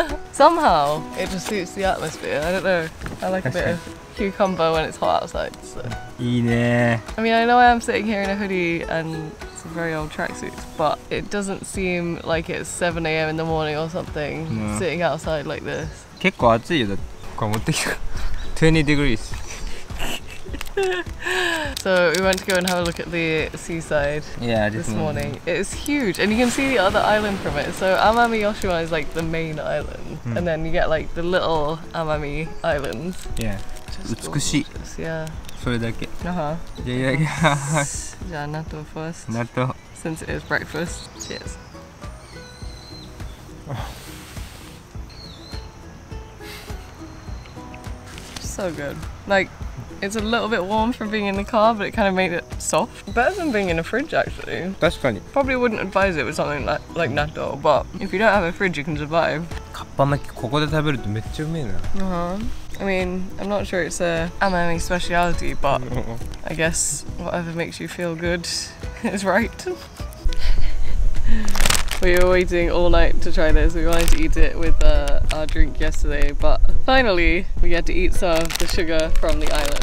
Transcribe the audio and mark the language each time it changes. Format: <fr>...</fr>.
<en>Somehow, it just suits the atmosphere. I don't know. I like a bit of. Cucumber when it's hot outside, so.</en> <ja>いいね。</ja> <en>I mean, I know I am sitting here in a hoodie and some very old tracksuits, but it doesn't seem like it's 7 a.m. in the morning or something, sitting outside like this.</en> <ja>結構暑いよ、これ持ってきた。</ja> <en>20 degrees. So we went to go and have a look at the seaside this morning. It's huge, and you can see the other island from it. So Amami Oshima is like the main island, and then you get like the little Amami islands. Yeah. Just、</en> <ja>美しい、</ja> <en>yeah.</en> <ja>それだけ、</ja> <en>uh-huh.</en> <ja>じゃあいただきます。じゃあ納豆 first。納豆</ja> <en>Since it is breakfast. Cheers. So good. Like, it's a little bit warm from being in the car, but it kind of made it soft. Better than being in a fridge, actually.</en> <ja>確かに。</ja> <en>Probably wouldn't advise it with something like natto, but if you don't have a fridge, you can survive.</en> <ja>カッパ巻きここで食べるとめっちゃうめえな。</ja> <en>Uh-huh. I mean, I'm not sure it's a Amami speciality, but I guess whatever makes you feel good is right. We were waiting all night to try this. We wanted to eat it with our drink yesterday, but finally we get to eat some of the sugar from the island.</en>